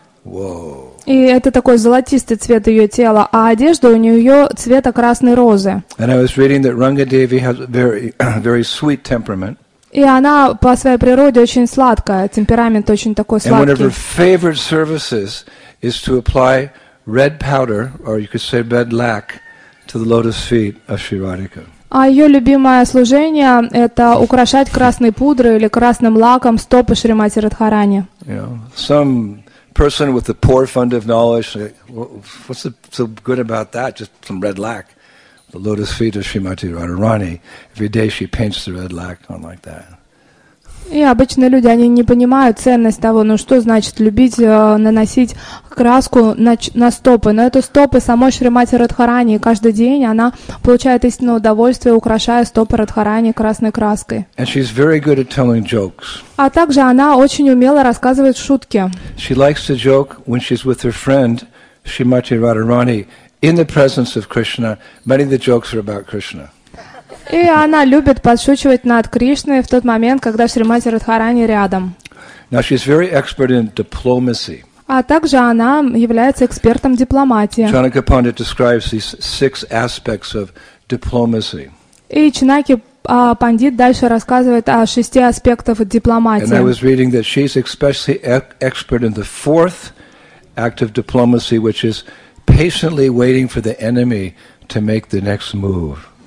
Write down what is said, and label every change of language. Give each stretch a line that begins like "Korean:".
Russian: Whoa. И это такой золотистый цвет ее тела, а одежда у нее цвета красной розы.
English: And I was reading that Ranga Devi has a very, very sweet temperament.
Russian: И она по своей природе очень сладкая, темперамент очень такой сладкий.
English: And one of her favorite services is to apply red powder, or you could say red lac, to the lotus feet of Sri Radhika.
Russian: А ее любимое служение – это украшать красной пудрой или красным лаком стопы Шримати Радхарани.
English: You know, some person with a poor fund of knowledge, what's so good about that? Just some red lac, the lotus feet of Shrimati Radharani. Every day she paints the red lac on like that.
Russian: И обычные люди, они не понимают ценность того, ну что значит любить наносить краску на стопы. Но это стопы самой Шримати Радхарани, и каждый день она получает истинное удовольствие, украшая стопы Радхарани красной краской.
English: And she's very good at telling jokes.
Russian: А также она очень умело рассказывает шутки.
English: She likes to joke when she's with her friend Shrimati Radharani in the presence of Krishna. Many of the jokes are about Krishna.
Russian: И она любит подшучивать над Кришной в тот момент, когда Шримати Радхарани рядом.
English: Now she's very expert in diplomacy.
Russian: А также она является экспертом дипломатии.
English: Chanaka Pandit describes these six aspects of diplomacy.
Russian: И Чанаки Пандит дальше рассказывает о шести аспектах дипломатии.
English: And I was reading that she's especially expert in the fourth act of diplomacy, which is patiently waiting for the enemy to make the next move.